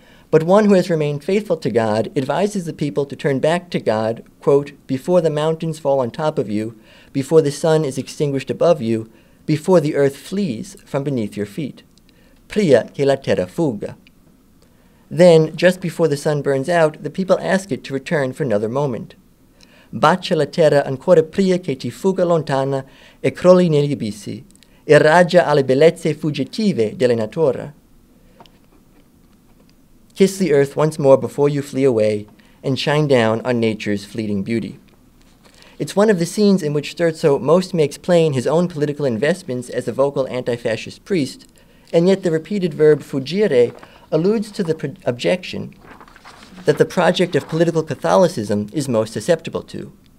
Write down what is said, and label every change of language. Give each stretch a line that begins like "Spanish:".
English: But one who has remained faithful to God advises the people to turn back to God, quote, before the mountains fall on top of you, before the sun is extinguished above you, before the earth flees from beneath your feet.
Italian: Pria che la terra fuga.
English: Then, just before the sun burns out, the people ask it to return for another moment.
Italian: Bacia la terra ancora pria che ti fuga lontana e crolli negli abissi, e raggia alle bellezze fuggitive della natura.
English: Kiss the earth once more before you flee away and shine down on nature's fleeting beauty. It's one of the scenes in which Sturzo most makes plain his own political investments as a vocal anti-fascist priest, and yet the repeated verb fuggire alludes to the objection that the project of political Catholicism is most susceptible to.